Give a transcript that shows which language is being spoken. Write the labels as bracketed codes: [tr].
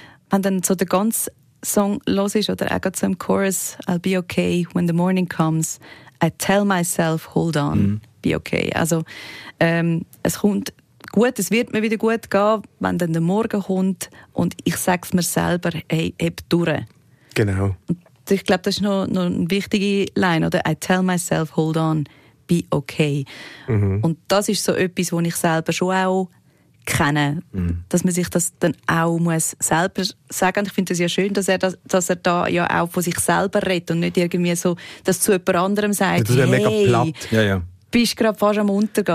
[de] Wenn dann so der ganze Song los ist oder auch so im Chorus, [en] I'll be okay when the morning comes, I tell myself, hold on, be okay. [de] Also es kommt gut, es wird mir wieder gut gehen, wenn dann der Morgen kommt und ich sage es mir selber, hey, heb durch. Genau. Und ich glaube, das ist noch eine wichtige Line, oder? [en] I tell myself, hold on, be okay. [de] Mhm. Und das ist so etwas, wo ich selber schon auch kennen, dass man sich das dann auch muss selber sagen. Und ich finde es ja schön, dass er da ja auch von sich selber redet und nicht irgendwie so das zu jemand anderem sagt. Das ist ja mega platt. Ja, ja. Bist gerade fast am Untergehen,